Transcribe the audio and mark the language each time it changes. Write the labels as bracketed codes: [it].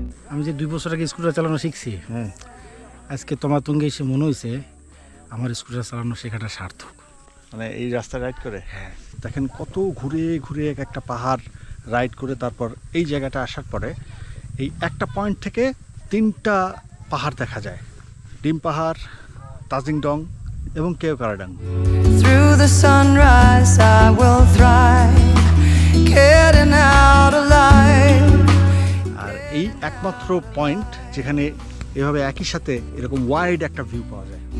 [bn] আমি যে দুই বছর আগে স্কুটার চালানো শিখছি, হ্যাঁ আজকে তোমার তুঙ্গে এসে মনে হয়েছে আমার স্কুটার চালানো শেখাটা সার্থক, মানে এই রাস্তা রাইড করে। হ্যাঁ দেখেন কত ঘুরে ঘুরে এক একটা পাহাড় রাইড করে তারপর এই জায়গাটা আসার পরে এই একটা পয়েন্ট থেকে তিনটা পাহাড় দেখা যায়, ডিম পাহাড়, তাজিংডং এবং কেউ কারাডাং। [en] Through the sunrise I will thrive, getting out alive. [bn] আর এই একমাত্র পয়েন্ট যেখানে এভাবে একই সাথে এরকম ওয়াইড একটা ভিউ পাওয়া যায়।